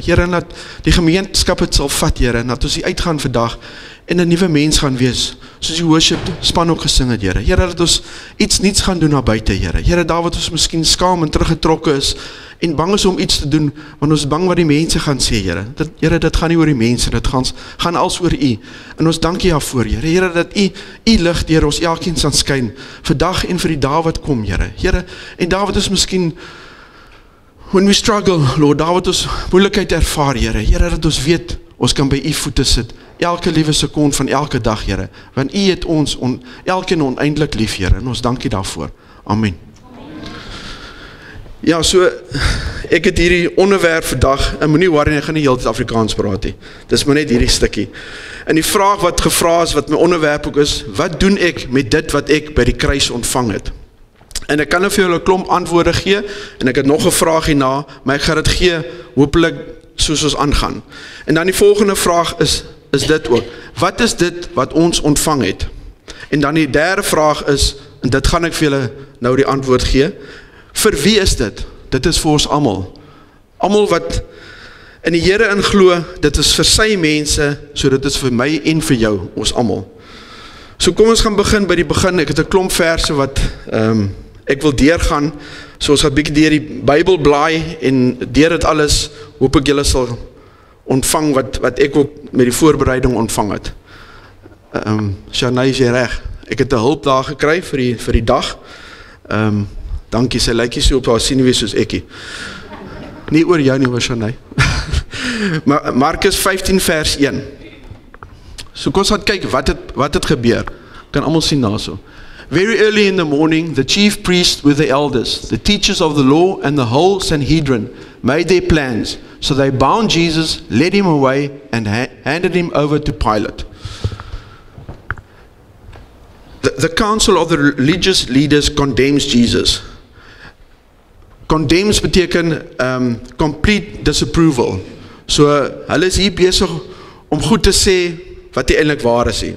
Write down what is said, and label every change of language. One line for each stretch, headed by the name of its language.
Afrikaans: Here, laat die gemeenskap dit sal vat, Here, dat ons hier uitgaan vandag en 'n nuwe mens gaan wees, soos die worship span ook gesing het, Here. Here, dat ons iets niets gaan doen na buite, Here. Here, daar wat ons miskien skaam en teruggetrokke is en bang is om iets te doen, want ons is bang wat die mense gaan sê, Here. Here, dit gaan nie oor die mense, dit gaan als oor u. En ons dank u daarvoor, Here. Here, dat u lig deur ons elkeen sal skyn vandag en vir die dae wat kom, Here. Here, en daar wat ons miskien
English: when we struggle, Lord,
Afrikaans: daar wat ons moeilikheid ervaar, Here. Here, dat ons weet ons kan by u voete sit. Elke liewe sekond van elke dag, Here, want u het ons elkeen oneindelik lief, Here, en ons dankie daarvoor. Amen. Ja, so ek het hierdie onderwerp vandag, en moenie worry, ek gaan nie heeltyd Afrikaans praat nie. Dis maar net hierdie stukkie. En die vraag wat gevra is, wat my onderwerp ook is, wat doen ek met dit wat ek by die kruis ontvang het? En ek kan nou vir julle 'n klomp antwoorde gee, en ek het nog 'n vraag hierna, maar ek gaan dit gee hopelik soos ons aangaan. En dan die volgende vraag is dit ook. Wat is dit wat ons ontvang het? En dan die derde vraag is, en dit gaan ek vir julle nou die antwoord gee, vir wie is dit? Dit is vir ons almal. Almal wat in die Here inglo, dit is vir sy mense, so dit is vir my en vir jou, ons almal. So kom ons gaan begin by die begin. Ek het 'n klomp verse wat ek wil deurgaan. So ons gaan bietjie deur die Bybel blaai en deur dit alles hoop ek julle sal ontvang wat ek ook met die voorbereiding ontvang het. Shanay is reg. Ek het 'n hulp daar gekry vir die dag. Dankie, sy lykie so op haar sien wees soos ekkie. Nie oor jou nie, oor Shanay. Markus 15 vers 1. So kom ons gaan kyk wat het gebeur. Kan almal sien daarso.
English: Very early in the morning, the chief priests with the elders, the teachers of the law and the whole Sanhedrin made their plans. So they bound Jesus, led him away and handed him over to Pilate. The council of the religious leaders condemns Jesus. Condemns beteken complete disapproval.
Afrikaans: So hulle is hier besig om goed te sê wat hy eintlik waar is.